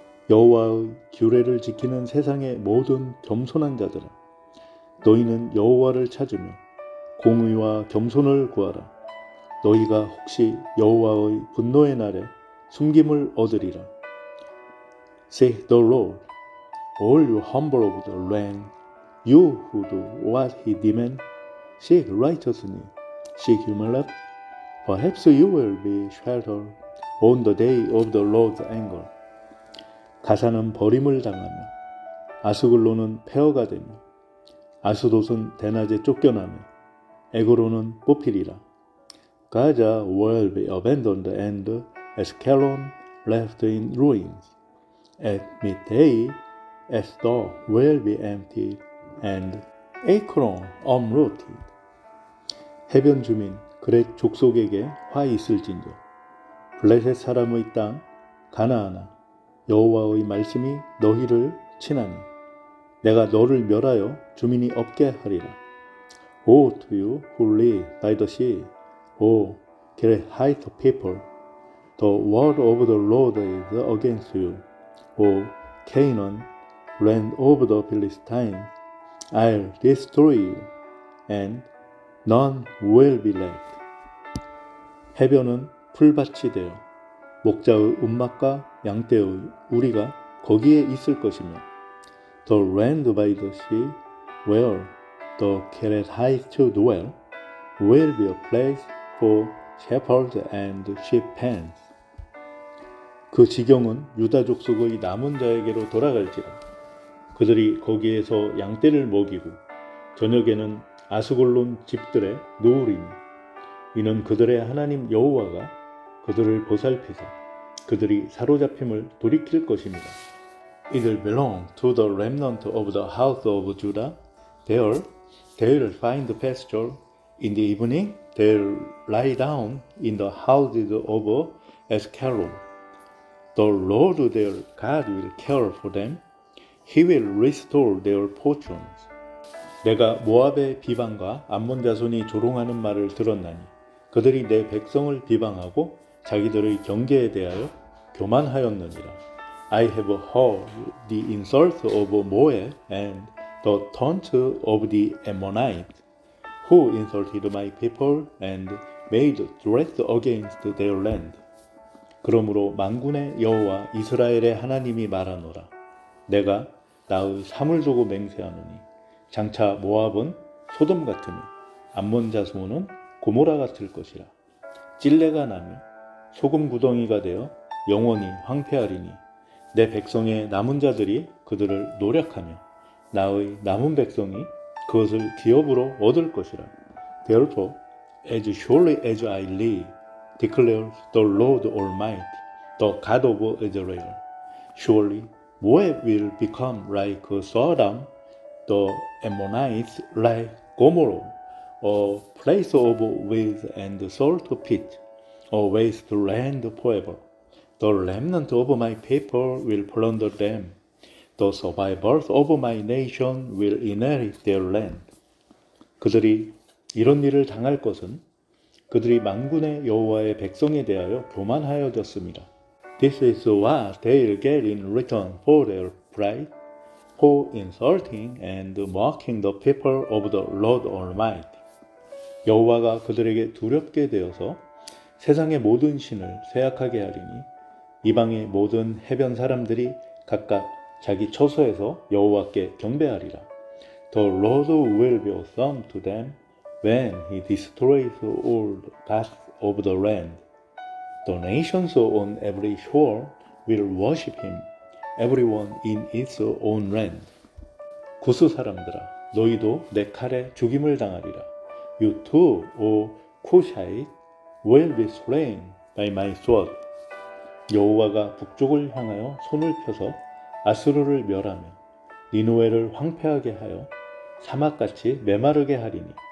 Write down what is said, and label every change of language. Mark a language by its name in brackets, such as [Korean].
[Korean] 여호와의 규례를 지키는 세상의 모든 겸손한 자들아, 너희는 여호와를 찾으며 공의와 겸손을 구하라. 너희가 혹시 여호와의 분노의 날에 숨김을 얻으리라. [English] Say the Lord, all you humble of the land, you who do what he demands, seek righteousness, seek humility, perhaps you will be sheltered on the day of the Lord's anger. [Korean] 가사는 버림을 당하며, 아스글론은 폐허가 되며, 아스돗은 대낮에 쫓겨나며, 에그로는 뽑히리라. [English] Gaza will be abandoned and Ashkelon left in ruins. At midday, Ashdod will be emptied, and Ekron uprooted. [Korean] 해변 주민, 그렛 족속에게 화 있을진저. 블레셋 사람의 땅, 가나안아, 여호와의 말씀이 너희를 친하니. 내가 너를 멸하여 주민이 없게 하리라. [English] O to you who live by the sea, O great height of people, the word of the Lord is against you. O Canaan, land of the Philistines, I'll destroy you, and none will be left. [Korean] 해변은 풀밭이 되어 목자의 운막과 양떼의 우리가 거기에 있을 것이며 [English] The land by the sea, where the Kerethites dwell, will be a place for shepherds and sheep pens. [Korean] 그 지경은 유다 족속의 남은 자에게로 돌아갈지라. 그들이 거기에서 양떼를 먹이고 저녁에는 아스글론 집들에 누우리니 이는 그들의 하나님 여호와가 그들을 보살피사 그들이 사로잡힘을 돌이킬 것입니다. [English] It will belong to the remnant of the house of Judah. There they will find pasture. In the evening they will lie down in the houses of Ashkelon. The Lord their God will care for them. He will restore their fortunes. [Korean] 내가 모압의 비방과 암몬 자손이 조롱하는 말을 들었나니 그들이 내 백성을 비방하고 자기들의 경계에 대하여 교만하였느니라. [English] I have heard the insults of Moab and the taunt of the Ammonite who insulted my people and made threats against their land. [Korean] 그러므로 만군의 여호와 이스라엘의 하나님이 말하노라. 내가 나의 삶을 두고 맹세하노니 장차 모압은 소돔 같으며 암몬 자손은 고모라 같을 것이라. 찔레가 나며 소금 구덩이가 되어 영원히 황폐하리니 내 백성의 남은 자들이 그들을 노력하며 나의 남은 백성이 그것을 기업으로 얻을 것이라. [English] Therefore, as surely as I live, declares the Lord Almighty, the God of Israel. Surely, Moab will become like Sodom, the Ammonites like Gomorrah, a place of weeds and salt pit, a waste land forever. The remnant of my people will plunder them. The survivors of my nation will inherit their land. [Korean] 그들이 이런 일을 당할 것은 그들이 만군의 여호와의 백성에 대하여 교만하여졌습니다. [English] This is what they'll get in return for their pride, for insulting and mocking the people of the Lord Almighty. [Korean] 여호와가 그들에게 두렵게 되어서 세상의 모든 신을 쇠약하게 하리니 이방의 모든 해변 사람들이 각각 자기 처소에서 여호와께 경배하리라. [English] The Lord will be awesome to them. When he destroys all the gods of the land, the nations on every shore will worship him, everyone in its own land. [Korean] 구스 사람들아, 너희도 내 칼에 죽임을 당하리라. [English] You too, O Cushite, will be slain by my sword. [Korean] 여호와가 북쪽을 향하여 손을 펴서 아수르를 멸하며 니누웨를 황폐하게 하여 사막같이 메마르게 하리니.